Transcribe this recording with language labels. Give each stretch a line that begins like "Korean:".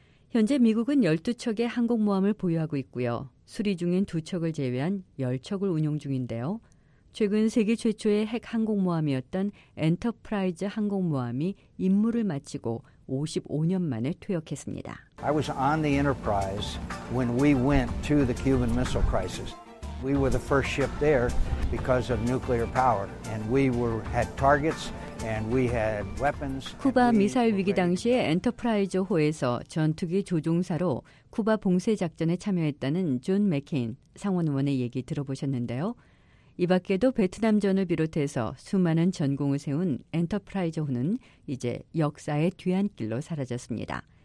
Korean: 현재 미국은 12척의 항공모함을 보유하고 있고요. 수리 중인 2척을 제외한 10척을 운용 중인데요. 최근 세계 최초의 핵 항공모함이었던 엔터프라이즈 항공모함이 임무를 마치고 55년 만에 퇴역했습니다.
English: I was on the Enterprise when we went to the Cuban Missile Crisis. We were the first ship there because of nuclear power, and we were had targets and we had weapons.
Korean: 쿠바 미사일 위기 당시에 엔터프라이즈 호에서 전투기 조종사로 쿠바 봉쇄 작전에 참여했다는 존 맥케인 상원 의원의 얘기 들어보셨는데요. 이 밖에도 베트남전을 비롯해서 수많은 전공을 세운 엔터프라이저호는 이제 역사의 뒤안길로 사라졌습니다.